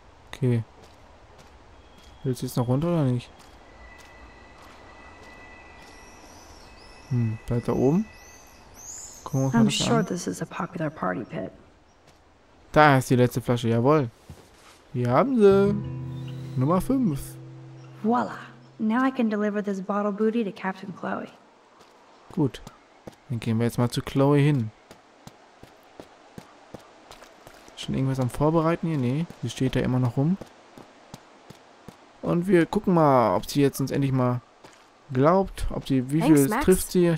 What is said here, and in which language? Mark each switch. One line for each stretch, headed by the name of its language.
German: Okay. Willst du jetzt noch runter oder nicht? Bleibt da oben? Gucken wir uns mal das an. Popular Party Pit. Da ist die letzte Flasche, jawohl. Wir haben sie. Nummer 5. Voila.
English: Now I can deliver this bottle booty to Captain Chloe.
German: Gut. Dann gehen wir jetzt mal zu Chloe hin. Schon irgendwas am Vorbereiten hier? Nee, sie steht da immer noch rum. Und wir gucken mal, ob sie jetzt uns endlich mal glaubt. Ob sie, wie viel trifft sie?